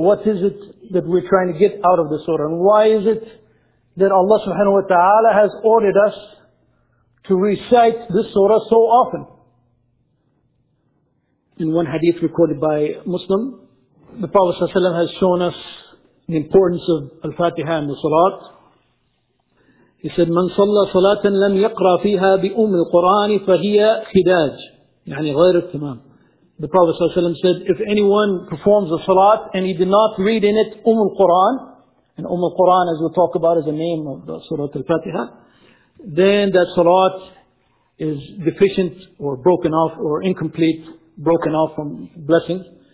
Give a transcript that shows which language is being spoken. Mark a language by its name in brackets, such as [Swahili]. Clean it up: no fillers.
[English] What is it that we're trying to get out of the surah? And why is it that Allah subhanahu wa ta'ala has ordered us to recite this surah so often? In one hadith recorded by Muslim, the Prophet sallallahu alayhi wa sallam has shown us the importance of Al-Fatiha and the Salat. He said, [Arabic] مَنْ صَلَّى صَلَاةً لَمْ يَقْرَى فِيهَا بِأُمِّ الْقُرْآنِ فَهِيَ خِدَاجٍ يعني غير التمام. [English] The Prophet sallallahu alayhi wa sallam said, if anyone performs a Salat and he did not read in it Umm al-Qur'an, and Umm al-Qur'an, as we talk about, is the name of the Surah Al-Fatiha, then that Salat is deficient or broken off or incomplete, broken off from blessings.